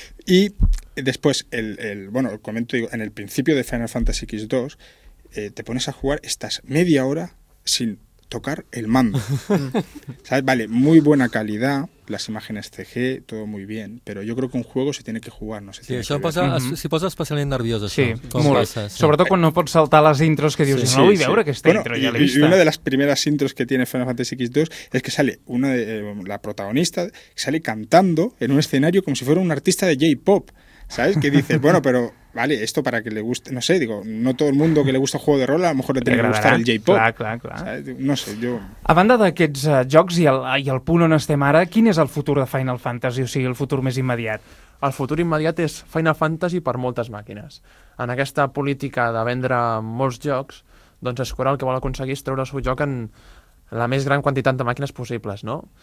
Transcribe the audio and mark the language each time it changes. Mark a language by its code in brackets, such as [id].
[es] Y después, bueno, comento, digo, en el principio de Final Fantasy X2, te pones a jugar, estás media hora sin tocar el mando. ¿Sabes? Vale, muy buena calidad, las imágenes CG, todo muy bien, pero yo creo que un juego se tiene que jugar, no sé. [ca] Sí, això posa, si posa especialment nerviós, això. Sí, molt. Passa, sí. Sobretot quan no pots saltar les intros que dius, sí, no, sí, vull veure aquesta, bueno, intro, ja l'he vista. [es] Y una de las primeras intros que tiene Final Fantasy X2 es que sale una de, la protagonista sale cantando en un escenario como si fuera un artista de J-pop, ¿sabes? Que dices, bueno, pero... Vale, esto para que le guste, no sé, digo, no todo el mundo que le gusta el juego de rol a lo mejor le tiene que gustar el J-pop. [ca] Clar. [es] No sé, yo... [ca] A banda d'aquests jocs i el punt on estem ara, quin és el futur de Final Fantasy, o sigui, el futur més immediat? El futur immediat és Final Fantasy per moltes màquines. En aquesta política de vendre molts jocs, doncs Square el que vol aconseguir és treure el seu joc en la més gran quantitat de màquines possibles, no?